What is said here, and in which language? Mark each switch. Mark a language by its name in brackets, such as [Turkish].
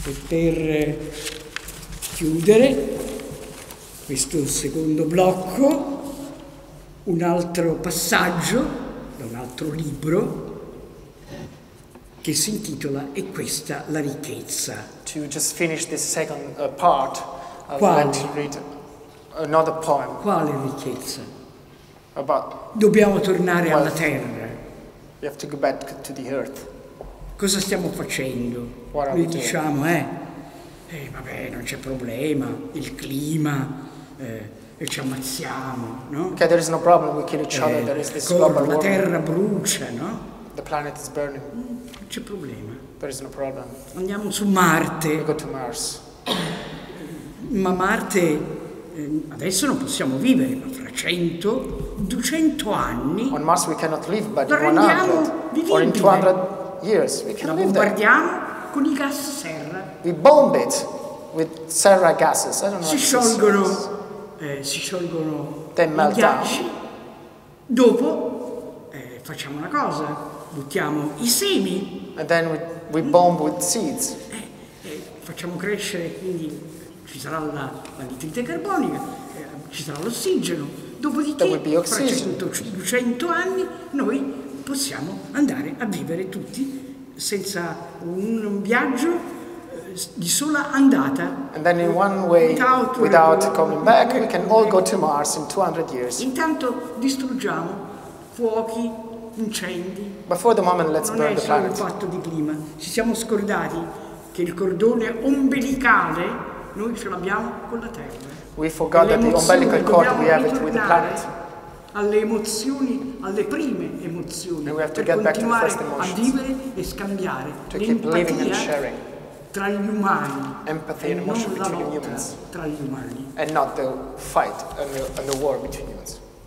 [Italian] E per chiudere questo secondo blocco, un altro passaggio da un altro libro che si intitola E questa la ricchezza. [English] To just finish this second part of what you read. Another poem. [Italian] Quale ricchezza? [English] About [Italian] dobbiamo tornare alla terra. [English] We have to go back to the earth. [Italian] Cosa stiamo facendo? [English] What [Italian] noi diciamo, vabbè, non c'è problema, il clima, e ci ammazziamo, no? [English] Okay, there is no problem, we kill each other, there is this global warming. [Italian] La terra brucia, no? [English] The planet is burning. [Italian] Non c'è problema. [English] There is no problem. [Italian] Andiamo su Marte. [English] We go to Mars. [Italian] Ma Marte adesso non possiamo vivere, ma tra 100, 200 anni... [English] On Mars we cannot live, but in 100, or in 200 years we can live there. [Italian] La bombardiamo con i gas serra. [English] We bomb it with serra gases. I don't know [Italian] si sciolgono [English] then melt [Italian] i ghiacci. Dopo facciamo una cosa, buttiamo i semi. And then we bomb with seeds. Facciamo crescere, quindi ci sarà la nitrite carbonica, ci sarà l'ossigeno. Dopodiché, fra 100 anni, noi possiamo andare a vivere tutti senza un viaggio di sola andata. [English] And then in one way, without coming back, we can all go to Mars in 200 years. [Italian] Intanto distruggiamo fuochi, incendi. [English] But for the moment, let's [Italian] non [English] burn the planet. [Italian] Non è solo il fatto di clima. Ci siamo scordati che il cordone ombelicale noi ce l'abbiamo con la Terra. [English] We forgot that the umbilical cord we have it with the planet. [Italian] Alle emozioni, alle prime emozioni, [English] and we have to get back to the first emotions. [Italian] A vivere e scambiare [English] to keep living and sharing. [Italian] Tra gli umani. [English] Empathy and emotion between humans. [Italian] Tra gli umani. [English] And not the fight and the war between humans.